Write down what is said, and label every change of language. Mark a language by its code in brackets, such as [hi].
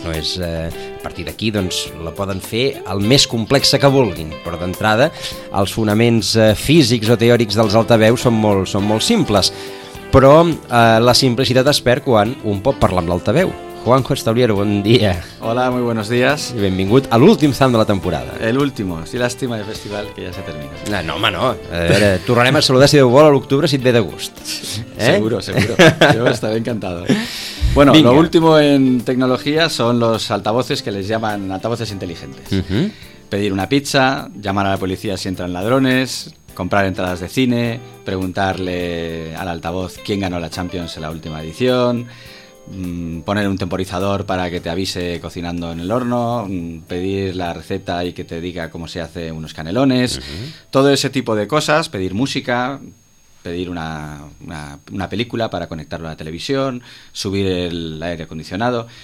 [ca] No és, a partir d'aquí, doncs, la poden fer el més complexa que vulguin, però d'entrada els fonaments físics o teòrics dels altaveus són molt simples. Però la simplicitat es perd quan un pot parlar amb l'altaveu. Juanjo Establiero, bon dia. [es] Hola, muy buenos días. [ca] I benvingut a l'últim ZAM de la temporada. [es] El último, sí, lástima de festival que ya se termina. [ca] No, home, no. Tornarem a saludar, si Déu vol, a l'octubre, si et ve de gust. [es] Seguro. Yo estaré encantado. Bueno, Vinga. Lo último en tecnología son los altavoces que les llaman altavoces inteligentes. Pedir una pizza, llamar a la policía si entran ladrones, comprar entradas de cine, preguntarle al altavoz quién ganó la Champions en la última edición, poner un temporizador para que te avise cocinando en el horno, pedir la receta y que te diga cómo se hace unos canelones, todo ese tipo de cosas, pedir música, pedir una película para conectarlo a la televisión, subir el aire acondicionado.